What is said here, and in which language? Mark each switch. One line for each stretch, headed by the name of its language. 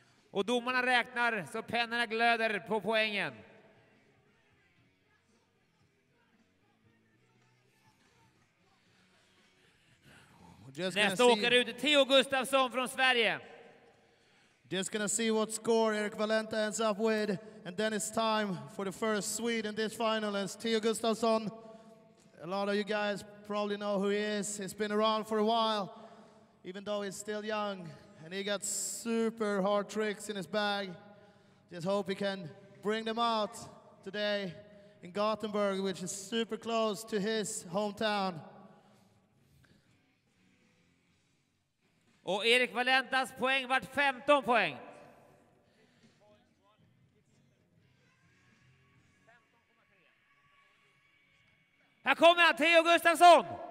Swedish: Och domarna räknar så pennorna glöder på poängen. Nästa åkare ut är Theo Gustafsson från Sverige.
English: Just gonna see what score Erik Valenta ends up with. And then it's time for the first Swede in this final. And it's Theo Gustafsson. A lot of you guys probably know who he is. He's been around for a while. Even though he's still young. And he got super hard tricks in his bag. Just hope he can bring them out today in Gothenburg, which is super close to his hometown.
Swedish: Och Erik Valentas poäng vart 15 poäng. Här kommer han, Theo Gustafsson.